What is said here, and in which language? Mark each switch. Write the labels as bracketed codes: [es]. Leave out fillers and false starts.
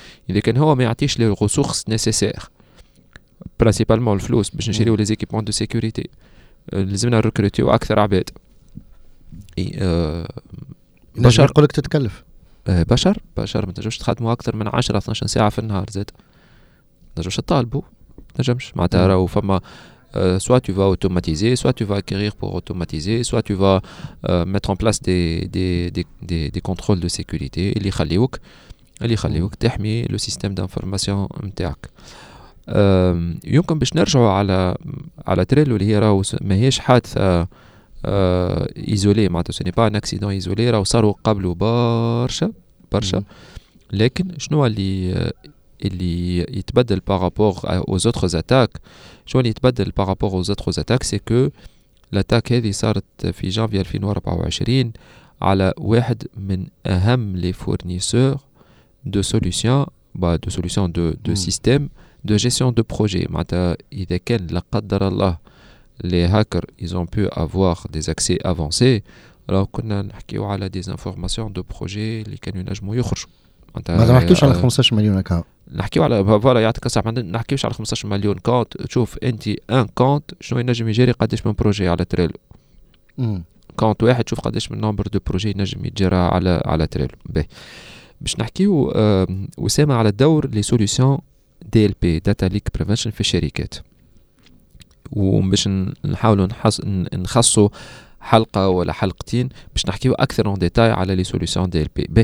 [ar] اذا كان هو ما يعطيش لي ريسورس نيسيسير برينسيبالمون الفلوس باش نشريو لي زيكيبمون دو سيكوريتي، لازمنا نركروتيو اكثر عباد. بشر يقولك تتكلف بشر ما تنجمش تخدموا اكثر من 10-12 ساعه في النهار، زاد ما تنجمش تطالبوا تنجمش معناتها راهو فما [fr] soit tu vas automatiser, soit tu vas acquérir pour automatiser, soit tu vas mettre en place des contrôles de sécurité [ar] اللي يخليوك تحمي لو سيستم دانفورماسيون نتاعك. يمكن باش نرجعوا على تريلو اللي هي راهو ماهيش حادثه ايزولي, معناتها سي با ان اكسيدون ايزولي, راهو صاروا قبل برشا لكن شنو اللي يتبدل بارابور [fr] aux autres attaques, [ar] شنو اللي يتبدل بارابور aux autres attaques, سي كو لاتاك هذه صارت في جانفي 2024 على واحد من اهم لي فورنيسور [fr] de solutions, bah de solutions de systèmes de gestion de projet. [ar] معناتها اذا كان لا قدر الله [fr] les hackers ils ont pu avoir des accès avancés, alors [ar] كنا نحكيوا على [fr] des informations de projet [ar] اللي كانوا ينجموا يخرجوا. معناتها ما نحكيوش على 15 مليون كاو, نحكيوا على فوالا يعطيك الصحه, ما نحكيوش على 15 مليون كونت. تشوف انت ان كونت شنو ينجم يجري قداش من بروجي على تريلو, كونت واحد شوف قداش من نمبر دو بروجي ينجم يجرى على تريلو. باهي باش نحكيو وسامة على الدور لي سوليوشن دي ال بي داتا ليك بريفنشن في الشركات, وباش نحاولوا نخصوا حلقه ولا حلقتين باش نحكيو اكثر اون ديتاي على لي سوليوشن دي ال بي.